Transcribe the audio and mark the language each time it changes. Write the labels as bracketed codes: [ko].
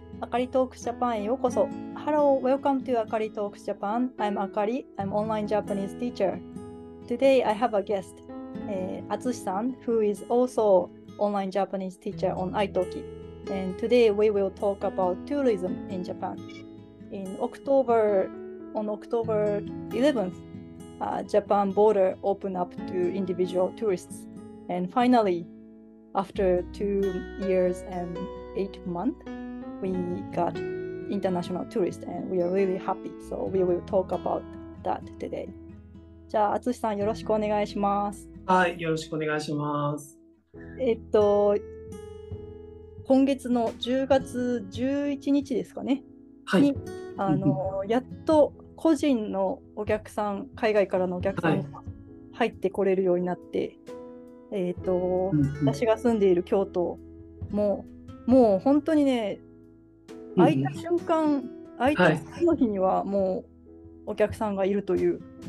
[ja] あかりトークジャパンへようこそ。 [en] Hello, welcome to [ja] あかりトークジャパン。 [en] I'm Akari. I'm online Japanese teacher. Today, I have a guest, Atsushi-san, who is also online Japanese teacher on iTalki. And today, we will talk about tourism in Japan. On October 11th, Japan border opened up to individual tourists. And finally, after 2 years and 8 months, we got international tourists and we are really happy. So we will talk about that today. [ja] じゃあ、あつしさん、よろしくお願いします。はい、よろしくお願いします。今月の10月11日ですかね。はい。やっと個人のお客さん、海外からのお客さんが入ってこれるようになって、はい、私が住んでいる京都も、もう本当にね、開いた瞬間、開いた次の日にはもうお客さんがいるという。